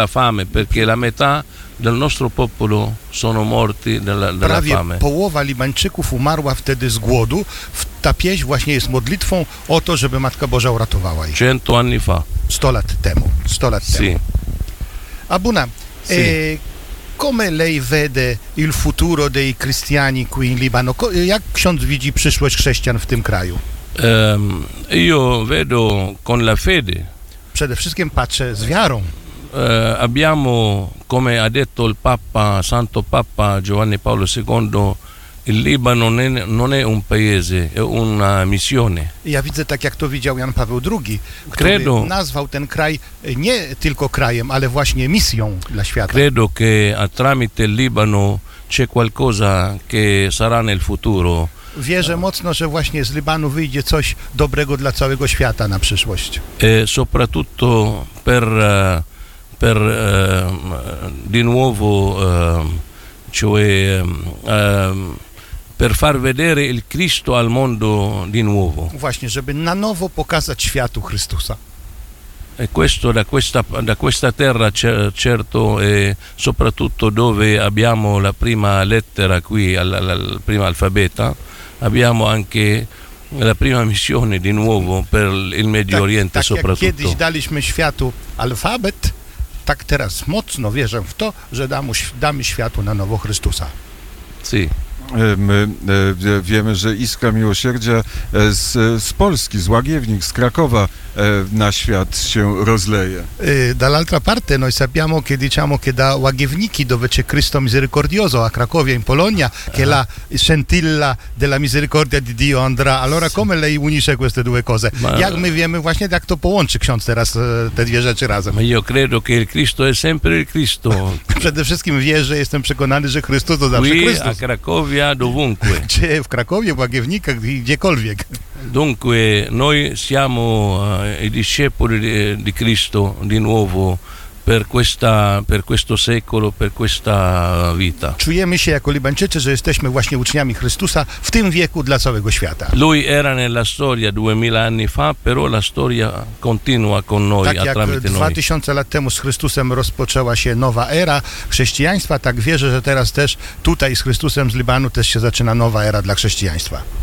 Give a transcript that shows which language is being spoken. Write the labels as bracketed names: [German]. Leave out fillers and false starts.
[Italian] la fame, perché la metà del nostro popolo sono morti della [Polish] prawie [Italian] fame. [Polish] Połowa Libańczyków umarła wtedy z głodu. Ta pieśń właśnie jest modlitwą o to, żeby Matka Boża uratowała ich. [Italian] 100 anni fa. [Polish] 100 lat temu. 100 lat [Italian] sì. Abuna, sì. Come lei vede il futuro dei cristiani qui in Libano? [Polish] Jak ksiądz widzi przyszłość chrześcijan w tym kraju? [Italian] Io vedo con la fede. [Polish] Przede wszystkim patrzę z wiarą. [Italian] Abbiamo, come ha detto il Papa, Santo Papa Giovanni Paolo II, il Libano non è un paese, è una missione. [Polish] Ja widzę tak, jak to widział Jan Paweł II, który credo, nazwał ten kraj nie tylko krajem, ale właśnie misją dla świata. [Italian] Credo che tramite il Libano c'è qualcosa che sarà nel futuro. [Polish] Wierzę mocno, że właśnie z Libanu wyjdzie coś dobrego dla całego świata na przyszłość. [Italian] Soprattutto per per di nuovo cioè per far vedere il Cristo al mondo di nuovo. [Polish] Właśnie, żeby na nowo pokazać światu Chrystusa. [Italian] E questo da questa terra certo e soprattutto dove abbiamo la prima lettera qui al prima alfabeta, abbiamo anche la prima missione di nuovo per il Medio Oriente soprattutto. [Polish] Tak jak kiedyś daliśmy światu alfabet, tak teraz mocno wierzę w to, że damy światu na nowo Chrystusa. [Italian] Sì. [Polish] My wiemy, że Iskra Miłosierdzia z Polski, z Łagiewnik, z Krakowa na świat się rozleje. [Italian] Dall'altra parte noi sappiamo che diciamo che da Łagiewniki dove c'è Cristo misericordioso a Cracovia in Polonia che la scintilla della misericordia di Dio andrà. Allora come lei unisce queste due cose? [Polish] Jak my wiemy właśnie jak to połączy ksiądz teraz te dwie rzeczy razem? [Italian] Ma io credo che il Cristo è sempre il Cristo. [Polish] Przede wszystkim wierzę, jestem przekonany, że Chrystus to zawsze Chrystus. A Krakowie [Italian] dovunque. Cioè, in Cracovia, in Łagiewnika, dove. Dunque, noi siamo i discepoli di Cristo di nuovo per questa, per questo secolo, per questa vita. [Polish] Czujemy się jako Libańczycy, że jesteśmy właśnie uczniami Chrystusa w tym wieku dla całego świata. [Italian] Lui era nella storia 2000 anni fa, però la storia continua con noi, [Polish] tak [Italian] attraverso noi. [Polish] 2000 lat temu z Chrystusem rozpoczęła się nowa era chrześcijaństwa, tak wierzę, że teraz też tutaj z Chrystusem z Libanu też się zaczyna nowa era dla chrześcijaństwa.